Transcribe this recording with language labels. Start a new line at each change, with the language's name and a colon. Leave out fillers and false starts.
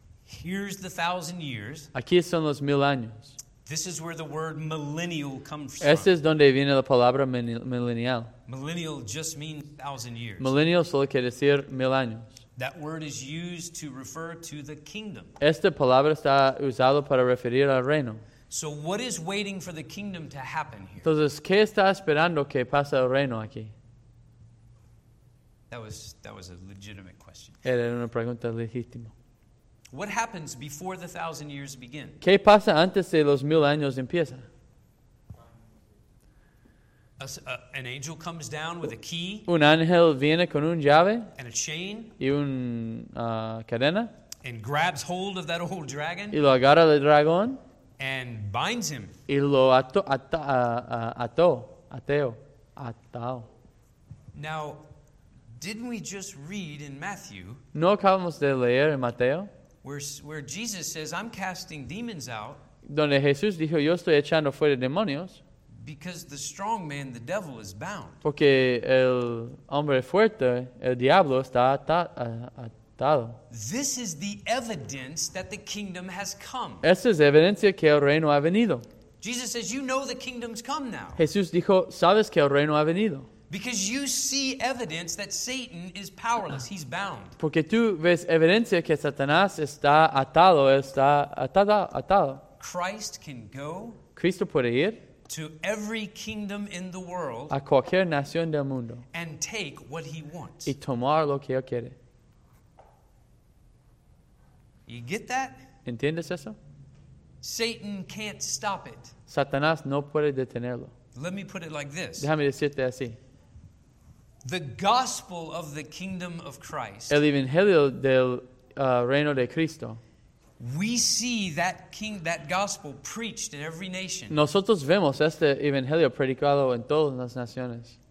English: Here's the 1,000 years.
Spanish: Aquí son los 1,000 años.
English: This is where the word millennial comes from.
Spanish: Este es donde viene la palabra millennial.
English: Millennial just means 1,000 years.
Spanish: Millennial solo quiere decir 1,000 años.
English: That word is used to refer to the kingdom.
Spanish: Esta palabra está usada para referir al reino.
English: So what is waiting for the kingdom to happen here?
Spanish: Entonces, ¿qué está esperando que pase el reino aquí?
English: That was a legitimate question.
Spanish: Era una pregunta legítima.
English: What happens before 1,000 years begin?
Spanish: ¿Qué pasa antes de 1,000 años empieza?
English: An angel comes down with a key.
Spanish: Un ángel viene con un llave.
English: And a chain.
Spanish: Y un cadena.
English: And grabs hold of that old dragon.
Spanish: Y lo agarra el dragón.
English: And binds him.
Spanish: Y lo ateo.
English: Now, Didn't we just read in Matthew?
Spanish: No acabamos de leer en Mateo.
English: Where Jesus says, "I'm casting demons out."
Spanish: Donde Jesús dijo, "Yo estoy echando fuera demonios."
English: Because the strong man, the devil, is bound.
Spanish: Porque el hombre fuerte, el diablo, está atado.
English: This is the evidence that the kingdom has come.
Spanish: Esta es evidencia que el reino ha venido.
English: Jesus says, "You know the kingdom's come now."
Spanish: Jesús dijo, "Sabes que el reino ha venido."
English: Because you see evidence that Satan is powerless, he's bound.
Spanish: Porque tú ves evidencia que Satanás está atado, atado.
English: Christ can go.
Spanish: Cristo puede ir.
English: To every kingdom in the world.
Spanish: A cualquier nación del mundo.
English: And take what he wants.
Spanish: Y tomar lo que él quiere.
English: You get that?
Spanish: ¿Entiendes eso?
English: Satan can't stop it.
Spanish: Satanás no puede detenerlo.
English: Let me put it like this.
Spanish: Déjame decirte así.
English: The gospel of the kingdom of Christ.
Spanish: El evangelio del reino de Cristo.
English: We see that king, that gospel preached in every nation.
Spanish: Nosotros vemos este evangelio predicado en todas las naciones.